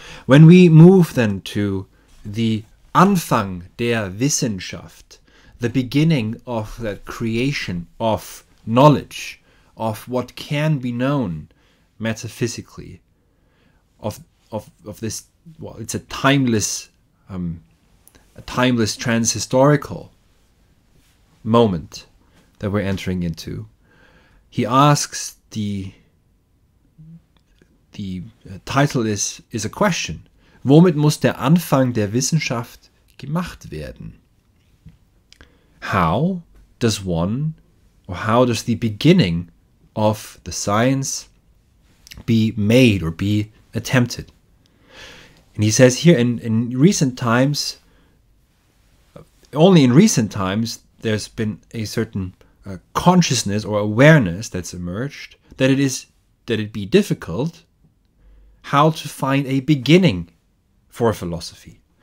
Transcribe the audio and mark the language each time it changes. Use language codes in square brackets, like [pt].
[en] When we move then to the [de] Anfang der Wissenschaft, [en] the beginning of that creation of knowledge, of what can be known metaphysically, of this, well, it's a timeless transhistorical moment that we're entering into. He asks, the title is a question. [de] Womit muss der Anfang der Wissenschaft gemacht werden? [en] How does one, or how does the beginning of the science be made or be attempted. And he says here, in recent times, only in recent times, there's been a certain consciousness or awareness that's emerged that it is that it be difficult how to find a beginning for a philosophy.